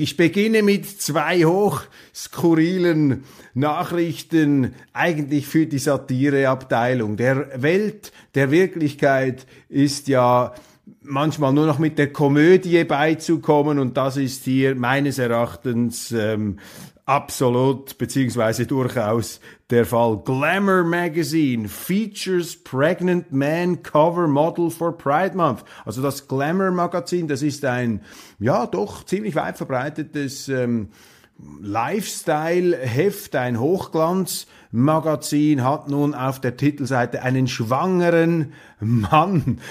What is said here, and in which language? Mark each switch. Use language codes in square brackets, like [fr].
[de] Ich beginne mit zwei hochskurrilen Nachrichten, eigentlich für die Satireabteilung. Der Welt, der Wirklichkeit ist ja manchmal nur noch mit der Komödie beizukommen und das ist hier meines Erachtens absolut beziehungsweise durchaus der Fall. [en] Glamour Magazine features pregnant man cover model for Pride Month. [de] Also das Glamour Magazin, das ist ein ja doch ziemlich weit verbreitetes Lifestyle-Heft, ein Hochglanz-Magazin, hat nun auf der Titelseite einen schwangeren Mann.